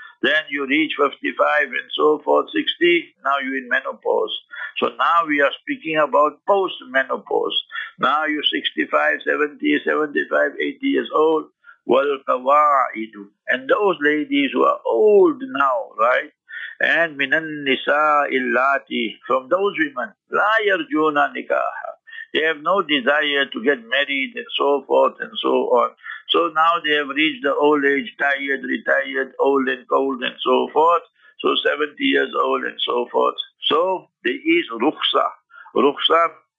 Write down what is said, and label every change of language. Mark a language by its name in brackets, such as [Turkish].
[English] Then you reach 55 and so forth, 60, now you're in menopause. So now we are speaking about post-menopause. Now you're 65, 70, 75, 80 years old. [Arabic] وَالْقَوَاعِدُ. [English] And those ladies who are old now, right? [Arabic] And مِنَ النِّسَاءِ اللَّاتِ. [English] From those women, [Arabic] لَا يَرْجُونَ نِكَاحَ. [English] They have no desire to get married and so forth and so on. So now they have reached the old age, tired, retired, old and cold and so forth. So 70 years old and so forth. So there is rukhsa. Rukhsa.